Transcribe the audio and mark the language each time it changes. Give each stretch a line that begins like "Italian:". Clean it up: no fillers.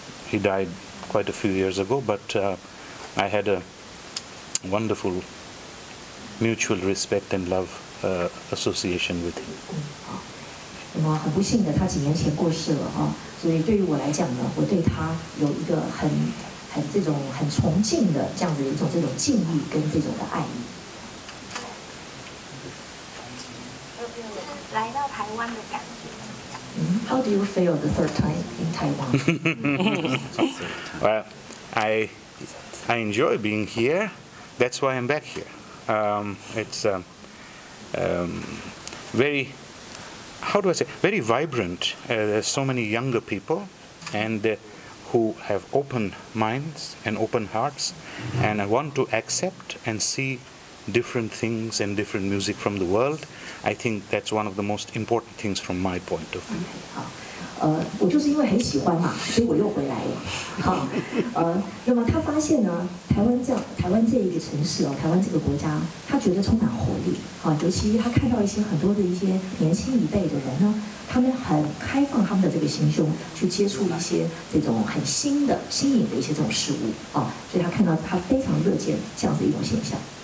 English: He died quite a few years ago, but I had a wonderful mutual respect and love association with him.
Chinese: 那么很不幸的，他几年前过世了所以对于我来讲呢，我对他有一个很这种很崇敬的这样子一种这种敬意跟这种的爱意。来到台湾的感觉，
English: How do you feel the third time in Taiwan? Well, I enjoy being here. That's why I'm back here. Very, how do I say, very vibrant. There's so many younger people and who have open minds and open hearts. Mm-hmm. And I want to accept and see different things and different music from the world. I think that's one of the most important things from my point of view.
Chinese: 我就是因为很喜欢嘛，所以我又回来了。那么他发现呢，台湾这一个城市台湾这个国家，他觉得充满活力。尤其他看到一些很多的一些年轻一辈的人呢，他们很开放他们的这个心胸，去接触一些这种很新的、新颖的一些这种事物所以他看到他非常乐见这样的一种现象。